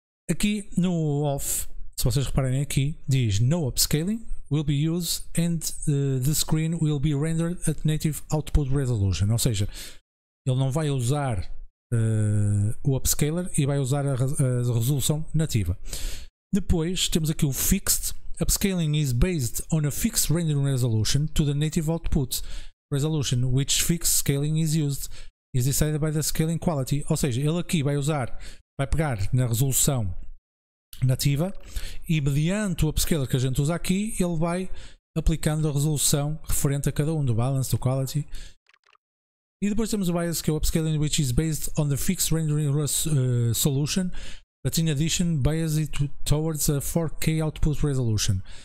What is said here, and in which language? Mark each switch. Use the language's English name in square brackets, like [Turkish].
[Portuguese] Aqui no Off, se vocês repararem aqui, diz [English] No upscaling will be used and the screen will be rendered at native output resolution. [Portuguese] Ou seja, ele não vai usar o upscaler e vai usar a resolução nativa. Depois temos aqui o Fixed, [English] upscaling is based on a fixed rendering resolution to the native output resolution, which fixed scaling is used, is decided by the scaling quality. [Portuguese] Ou seja, ele aqui vai usar, vai pegar na resolução nativa e mediante o upscaler que a gente usa aqui, ele vai aplicando a resolução referente a cada um, do balance, do quality. E depois temos o bias, que é o upscaling, [English] which is based on the fixed rendering solution, but in addition, bias it towards a 4K output resolution.